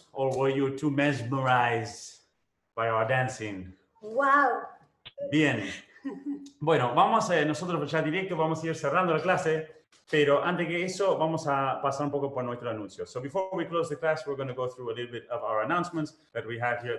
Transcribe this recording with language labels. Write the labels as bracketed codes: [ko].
[en] Or were you too mesmerized by our dancing? Wow. [es] Bien. Bueno, vamos a nosotros ya directo, vamos a ir cerrando la clase. Pero antes que eso, vamos a pasar un poco por nuestro anuncio. [en] So before we close the class, we're going to go through a little bit of our announcements that we have here.